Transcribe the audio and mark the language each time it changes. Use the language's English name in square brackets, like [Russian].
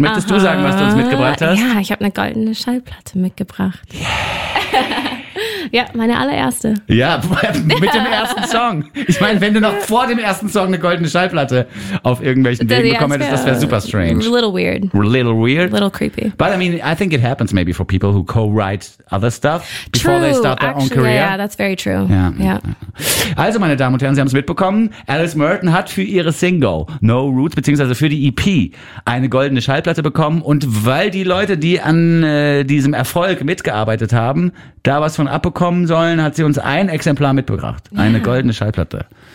[German] Möchtest du sagen, was du uns mitgebracht hast? Ja, ich habe eine goldene Schallplatte mitgebracht. [English] Yeah. [German] Ja, meine allererste. Ja, mit dem ersten Song. Ich meine, wenn du noch vor dem ersten Song eine goldene Schallplatte auf irgendwelchen Wegen bekommen hättest, das wäre super strange. [English] A little weird. A little creepy. But I mean, I think it happens maybe for people who co-write other stuff before true, they start their actually, own career. Yeah, that's very true. Yeah. [German] Also, meine Damen und Herren, Sie haben es mitbekommen. Alice Merton hat für ihre Single No Roots, beziehungsweise für die EP, eine goldene Schallplatte bekommen. Und weil die Leute, die an diesem Erfolg mitgearbeitet haben, da was von abbekommen sollen, hat sie uns ein Exemplar mitgebracht. Yeah. Eine goldene Schallplatte.